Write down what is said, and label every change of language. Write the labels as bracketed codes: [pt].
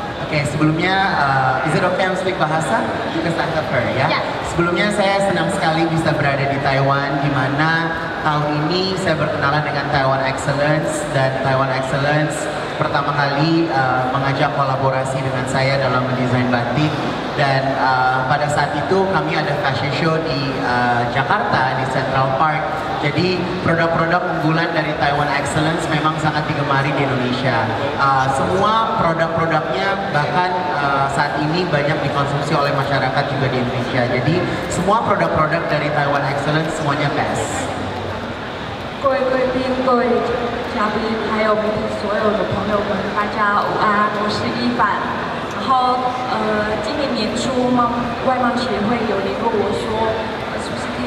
[en] Okay, sebelumnya, is it okay I'm speak bahasa? Because I have her, ya? Yeah? [id] Sebelumnya saya senang sekali bisa berada di Taiwan, di mana tahun ini saya berkenalan dengan Taiwan Excellence, dan Taiwan Excellence pertama kali mengajak kolaborasi dengan saya dalam mendesain batik. Dan pada saat itu kami ada fashion show di Jakarta, di Central Park. Jadi produk-produk unggulan dari Taiwan Excellence memang sangat digemari di Indonesia. Semua produk-produknya bahkan saat ini banyak dikonsumsi oleh masyarakat juga di Indonesia. Jadi semua produk-produk dari Taiwan Excellence semuanya best. [zh] 各位贵宾、各位嘉宾，还有媒体所有的朋友们，大家午安，我是伊凡。然后，今年年初外贸协会有联络我说，是不是